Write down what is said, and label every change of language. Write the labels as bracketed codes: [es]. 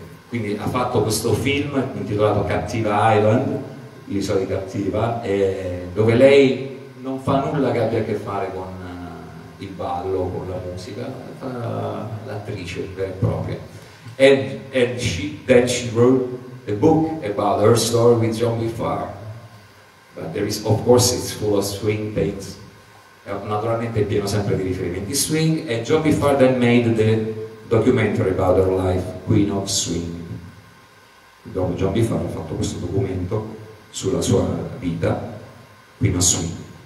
[it] Quindi ha fatto questo film intitolato Captiva Island, l'isola di Captiva, dove lei non fa nulla che abbia a che fare con il ballo, con la musica, fa l'attrice vera e propria. [en] And she, then she wrote a book about her story with John B. Farr. But there is, of course, it's full of swing things. [it] Naturalmente è pieno sempre di riferimenti swing, e John B. [en] Farr then made the documentary about her life, Queen of Swing. [it] Dopo John B. Farr ha fatto questo documento sulla sua vita, Queen of Swing.